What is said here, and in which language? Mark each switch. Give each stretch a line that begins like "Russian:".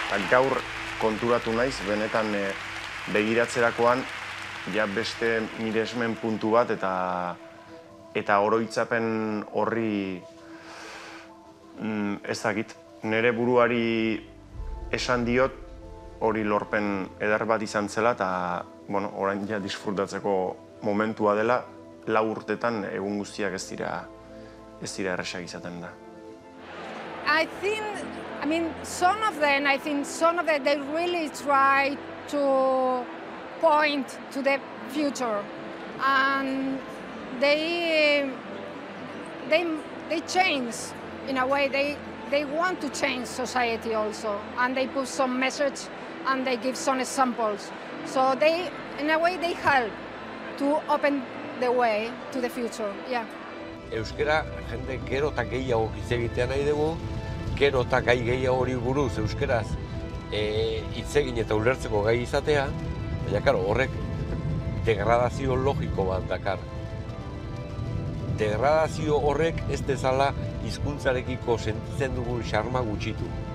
Basque: gaur konturatu naiz, benetan begiratzerakoan, ja beste miresmen puntu bat eta oroitzapen horri ez dakit, nire buruari esan diot hori lorpen eder bat izan zela eta bueno, orain ja disfrutatzeko momentua dela, lau urtetan egun guztiak ez dira erresak izaten da.
English: I think some of them they really try to point to the future and they change in a way, they want to change society also, and they put some message and they give some examples, so they in a way they help to open the way to the future. Yeah,
Basque: euskera jende gero ta gehiago hitz egitea nahi dugu, gero ta gai gehiago hori buruz euskeraz hitz egin eta ulertzeko gai izatea. Baina, karo, horrek degradazio logiko bat dakar. Degradazio horrek ez dezala hizkuntzarekiko sentitzen dugun xarma gutxitu.